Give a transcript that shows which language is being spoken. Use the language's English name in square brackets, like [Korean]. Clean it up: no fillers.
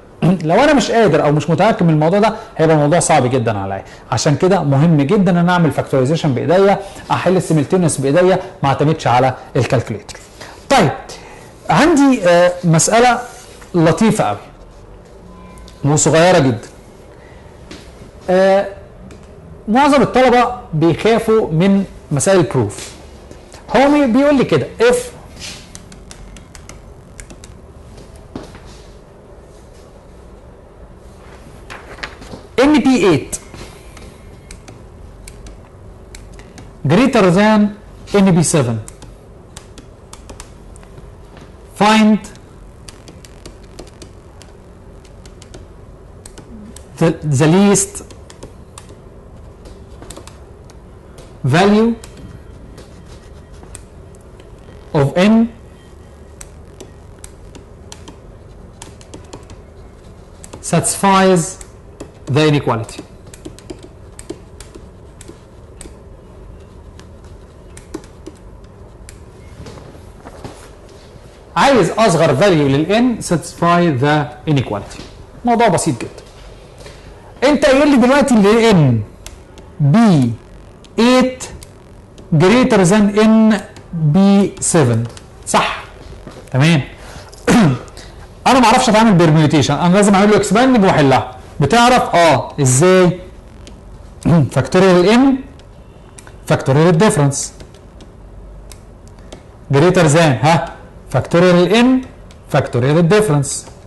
[Arabic] لو انا مش قادر او مش متاكد من الموضوع ده هيبقى موضوع صعب جدا عليا, عشان كده مهم جدا ان انا اعمل فاكتورايزيشن بايديا, احل السيمتينوس بايديا, ما اعتمدش على الكالكوليتر. طيب عندي مساله لطيفه قوي وصغيرة جدا. معظم الطلبة بيخافوا من مسائل البروف. هو بيقول لي كده [English] if np8 greater than np7 find the least value of n satisfies the inequality. [Arabic] عايز اصغر value للn [English] satisfy the inequality. [Arabic] موضوع بسيط جدا. انت قايل لي دلوقتي ان ان بي 8 جريتر ذان ان بي 7 صح؟ تمام. انا ما اعرفش اعمل بيرميوتيشن, انا لازم اعمل له اكسباندنج واحلها. بتعرف ازاي؟ فاكتوريال ان فاكتوريال الديفرنس جريتر ذان فاكتوريال ان فاكتوريال الديفرنس.